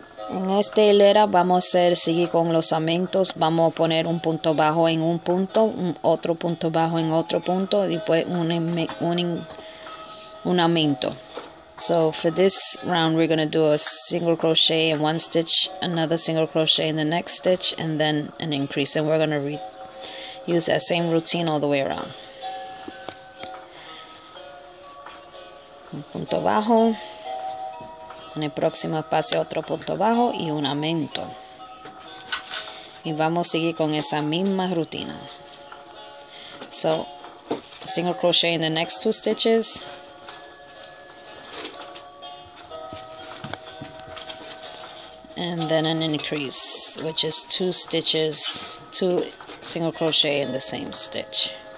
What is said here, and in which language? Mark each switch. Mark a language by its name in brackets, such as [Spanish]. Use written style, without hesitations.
[Spanish] En este hilera vamos a hacer, seguir con los aumentos. Vamos a poner un punto bajo en un punto, otro punto bajo en otro punto, y después un aumento. [English] So for this round we're going to do a single crochet in one stitch, another single crochet in the next stitch, and then an increase. And we're going to use that same routine all the way around. [Spanish] Un punto bajo, en el próximo espacio otro punto bajo y un aumento. Y vamos a seguir con esa misma rutina. [English] So, single crochet in the next two stitches. And then an increase, which is two stitches, two single crochet in the same stitch.